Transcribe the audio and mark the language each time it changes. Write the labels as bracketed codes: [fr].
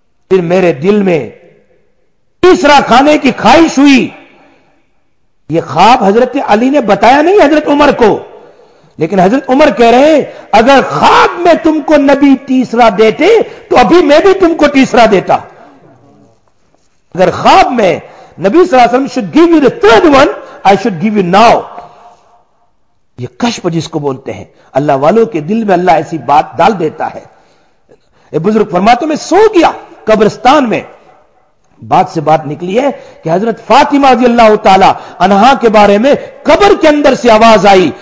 [ur] پھر میرے دل میں تیسرا کھانے کی خواہش ہوئی. یہ خواب حضرت علی نے بتایا نہیں حضرت عمر کو، لیکن حضرت عمر کہہ رہے ہیں اگر خواب میں تم کو نبی تیسرا دیتے تو ابھی میں بھی تم کو تیسرا دیتا. اگر خواب میں نبی صلی اللہ علیہ وسلم [en] should give you the third one, I should give you now. [ur] یہ کشپ جس کو بولتے ہیں، اللہ والوں کے دل میں اللہ ایسی بات ڈال دیتا ہے. اے بزرگ فرماتے ہیں میں سو گیا قبرستان میں. بات سے بات نکلی ہے کہ حضرت فاطمہ رضی اللہ تعالی عنہا کے بارے میں قبر کے اندر سے آواز آئی.